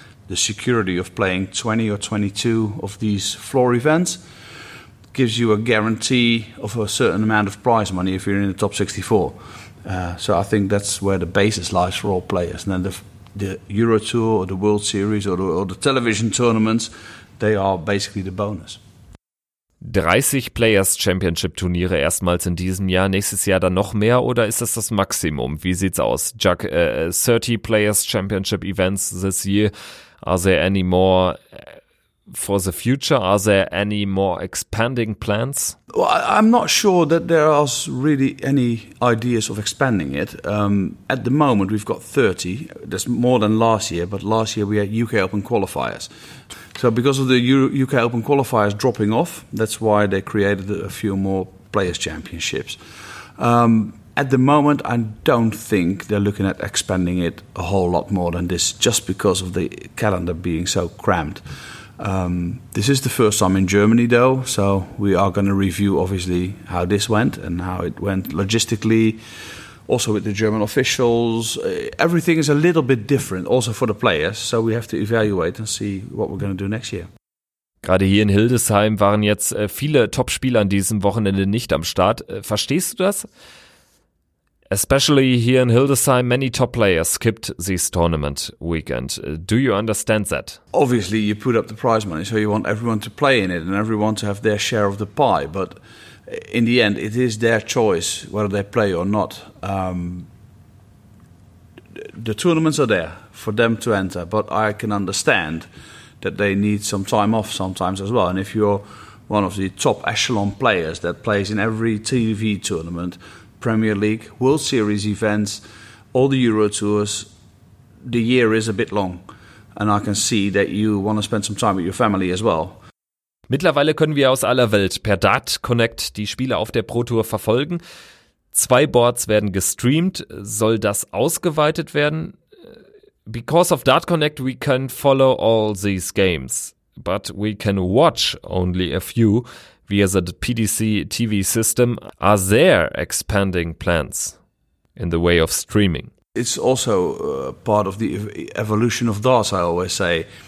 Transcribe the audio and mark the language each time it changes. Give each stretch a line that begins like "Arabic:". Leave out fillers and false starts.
English: The security of playing 20 or 22 of these floor events gives you a guarantee of a certain amount of prize money if you're in the top 64. So I think that's where the basis lies for all players. And then the Euro Tour or the World Series or the television tournaments, they are basically the bonus.
German: 30 Players Championship Turniere erstmals in diesem Jahr, nächstes Jahr dann noch mehr, oder ist das das Maximum? Wie sieht's aus, Jack?
English: 30 Players Championship Events this year. Are there any more for the future? Are there any more expanding plans? Well, I'm not sure that there are really any ideas of expanding it. At the moment, we've got 30. That's more than last year, but last year we had UK Open qualifiers. So because of the UK Open qualifiers dropping off, that's why they created a few more players' championships. At the moment, I don't think they're looking at expanding it a whole lot more than this, just because of the calendar being so cramped. This is the first time in Germany, though, so we are going to review, obviously, how this went and how it went logistically. Also with the German officials, everything is a little bit different, also for the players. So we have to evaluate and see what we're going to do next year.
German: Gerade hier in Hildesheim waren jetzt viele Top-Spieler an diesem Wochenende nicht am Start. Verstehst du das?
English: Especially here in Hildesheim, many top players skipped this tournament weekend. Do you understand that? Obviously, you put up the prize money, so you want everyone to play in it and everyone to have their share of the pie, but in the end, it is their choice whether they play or not. The tournaments are there for them to enter, but I can understand that they need some time off sometimes as well. And if you're one of the top echelon players that plays in every TV tournament, Premier League, World Series events, all the Euro Tours, the year is a bit long. And I can see that you want to spend some time with your family as well.
German: Mittlerweile können wir aus aller Welt per Dart Connect die Spiele auf der Pro Tour verfolgen. Zwei Boards werden gestreamt. Soll das ausgeweitet werden?
English: Because of Dart Connect, we can follow all these games. But we can watch only a few via the PDC TV system. Are there expanding plans in the way of streaming? It's also part of the evolution of darts, I always say.